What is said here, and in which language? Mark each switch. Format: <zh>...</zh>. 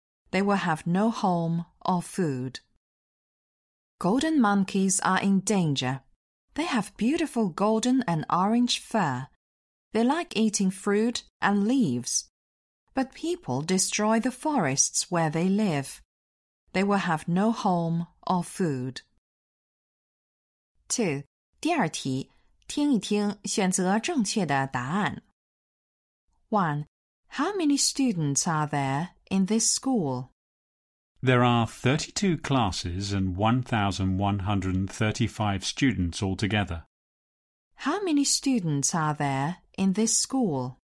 <en>They will have no home or food. Golden monkeys are in danger. They have beautiful golden and orange fur. They like eating fruit and leaves. But people destroy the forests where they live. They will have no home or food. 2.</en> <zh>第二题，听一听选择正确的答案。</zh> <en>1. How many students are there in this school? There are 32 classes and 1,135 students altogether. How many students are there in this school?</en>